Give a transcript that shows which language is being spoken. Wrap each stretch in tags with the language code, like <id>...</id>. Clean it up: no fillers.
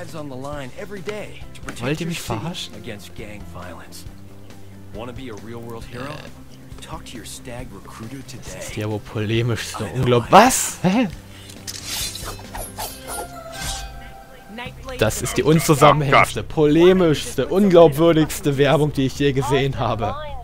<de>Wollt ihr mich verarschen?</de> <en>Against gang violence. Wanna be a real world hero? Talk to your stag recruiter today.</en> <de>Das ist ja wohl polemisch, so unglaublich. Was? Hä? Das ist die unzusammenhängendste, polemischste, unglaubwürdigste Werbung, die ich je gesehen habe.</de>